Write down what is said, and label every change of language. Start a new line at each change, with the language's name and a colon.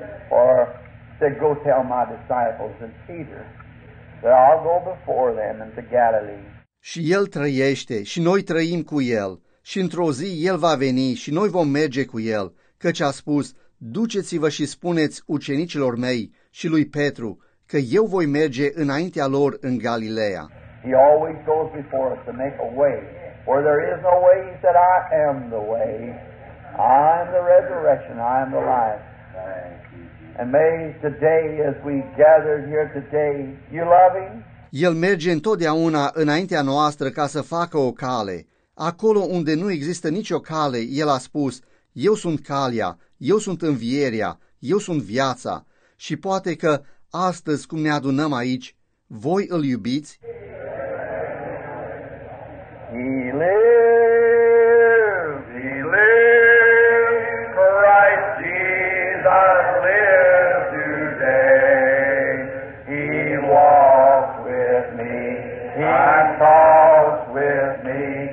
English: Or to go tell my disciples and Peter that I'll go before them into Galilee.
Romanian: Și el trăiește și noi trăim cu el și într-o zi el va veni și noi vom merge cu el, căci a spus: duceți-vă și spuneți ucenicilor mei și lui Petru că eu voi merge înaintea lor în Galileea.
English: He always goes before us to make a way where there is no way. He said, I am the way, I am the resurrection, I am the life. And may today, as we gather here today, you love him?
Romanian: El merge întotdeauna înaintea noastră ca să facă o cale. Acolo unde nu există nicio cale, el a spus: eu sunt calea, eu sunt învierea, eu sunt viața. Și poate că astăzi, cum ne adunăm aici, voi îl iubiți?
English: He lives, he lives, Christ Jesus lives today. He walks with me, he talks with me.